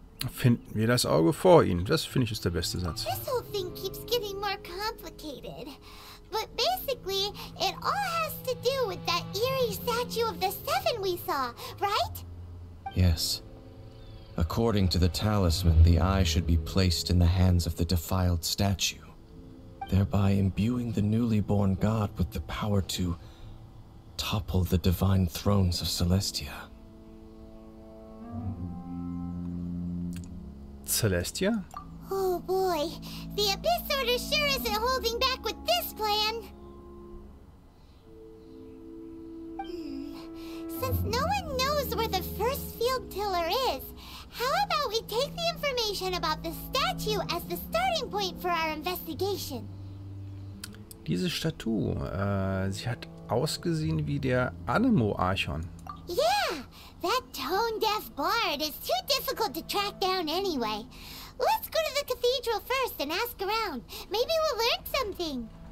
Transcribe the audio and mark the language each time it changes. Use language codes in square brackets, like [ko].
[de] Finden wir das Auge vor ihnen. Das finde ich ist der beste Satz. [en] This whole thing keeps getting more complicated. But basically, it all has to do with that eerie statue of the Seven we saw, right? Yes. According to the talisman, the eye should be placed in the hands of the defiled statue, thereby imbuing the newly born god with the power to topple the divine thrones of Celestia. Celestia? Oh boy, the Abyss Order sure isn't holding back with this plan! Since no one knows where the first field tiller is, how about we take the information about the statue as the starting point for our investigation? [de] Diese Statue, sie hat ausgesehen wie der Anemo-Archon. [en] Yeah, that tone-deaf bard is too difficult to track down anyway. Let's go to the cathedral first and ask around. Maybe we'll learn something.